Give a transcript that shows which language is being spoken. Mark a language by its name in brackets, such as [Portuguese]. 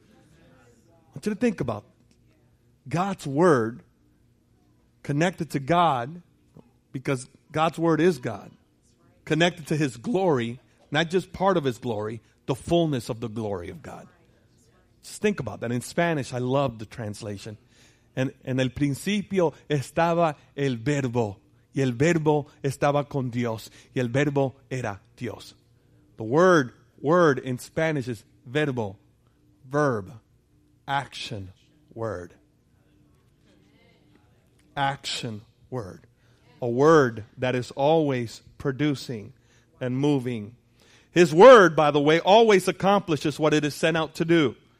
[English] I want you to think about God's word connected to God, because God's word is God, connected to his glory, not just part of his glory, the fullness of the glory of God. Just think about that. In Spanish, I love the translation. [Spanish] En el principio estaba el verbo, y el verbo estaba con Dios, y el verbo era Dios. [English] The word in Spanish is verbo, verb, action, word. Action, word. A word that is always producing and moving. His word, by the way, always accomplishes what it is sent out to do.